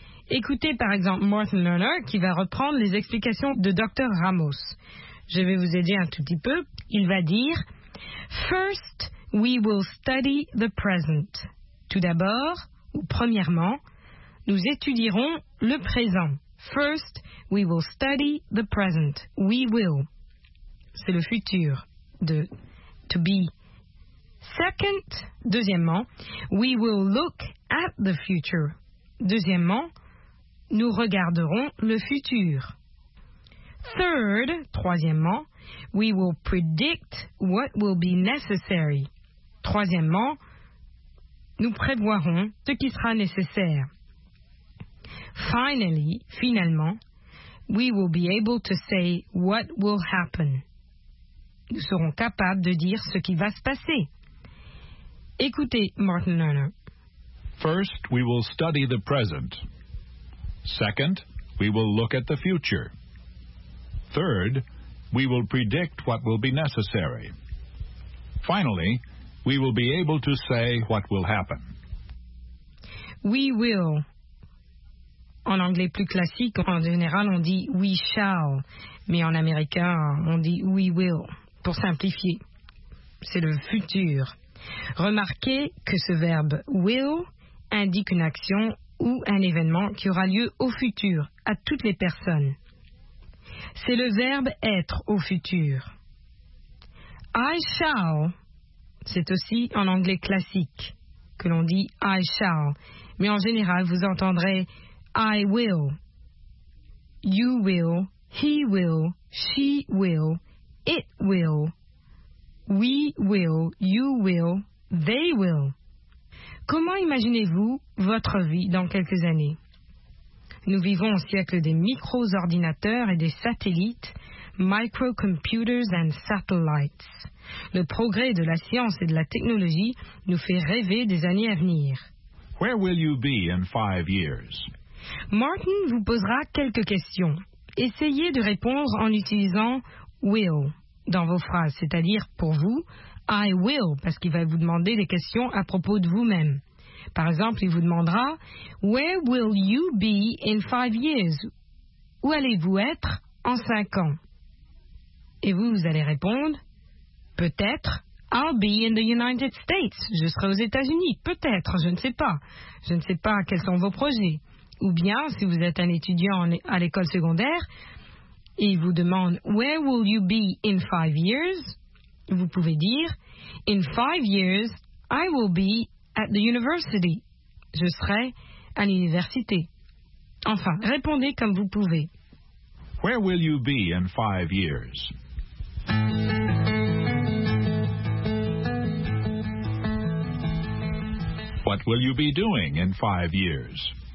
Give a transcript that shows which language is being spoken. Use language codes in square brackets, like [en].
[fr] Écoutez par exemple Martin Luther qui va reprendre les explications de Dr. Ramos. Je vais vous aider un tout petit peu. Il va dire « [en] First, we will study the present. [fr] » Tout d'abord, ou premièrement, nous étudierons le présent. [en] First, we will study the present. We will. [fr] C'est le futur de to be. [en] Second, [fr] deuxièmement, [en] we will look at the future. [fr] Deuxièmement, nous regarderons le futur. [en] Third, [fr] troisièmement, [en] we will predict what will be necessary. [fr] Troisièmement, nous prévoirons ce qui sera nécessaire. [en] Finally, [fr] finalement, [en] we will be able to say what will happen. [fr] Nous serons capables de dire ce qui va se passer. Écoutez, Martin Luther. [en] First, we will study the present. Second, we will look at the future. Third, we will predict what will be necessary. Finally, we will be able to say what will happen. We will. [fr] En anglais plus classique, en général, on dit we shall. Mais en américain, on dit we will. Pour simplifier, c'est le futur. Remarquez que ce verbe will indique une action ou un événement qui aura lieu au futur, à toutes les personnes. C'est le verbe être au futur. [en] I shall. [fr] C'est aussi en anglais classique que l'on dit « I shall », mais en général, vous entendrez « [en] I will »,« You will »,« He will »,« She will »,« It will »,« We will »,« You will »,« They will ». [fr] Comment imaginez-vous votre vie dans quelques années? Nous vivons au siècle des micro-ordinateurs et des satellites « [en] microcomputers and satellites ». [fr] Le progrès de la science et de la technologie nous fait rêver des années à venir. [en] Where will you be in 5 years? [fr] Martin vous posera quelques questions. Essayez de répondre en utilisant « will » dans vos phrases, c'est-à-dire pour vous, « I will » parce qu'il va vous demander des questions à propos de vous-même. Par exemple, il vous demandera « [en] Where will you be in 5 years? [fr] » Où allez-vous être en 5 ans? Et vous, vous allez répondre « Peut-être, [en] I'll be in the United States. [fr] Je serai aux États-Unis. Peut-être, je ne sais pas. Je ne sais pas quels sont vos projets. Ou bien, si vous êtes un étudiant à l'école secondaire, et il vous demande, [en] where will you be in 5 years? [fr] Vous pouvez dire, [en] in 5 years, I will be at the university. [fr] Je serai à l'université. Enfin, répondez comme vous pouvez. [en] Where will you be in 5 years? What will you be doing in 5 years?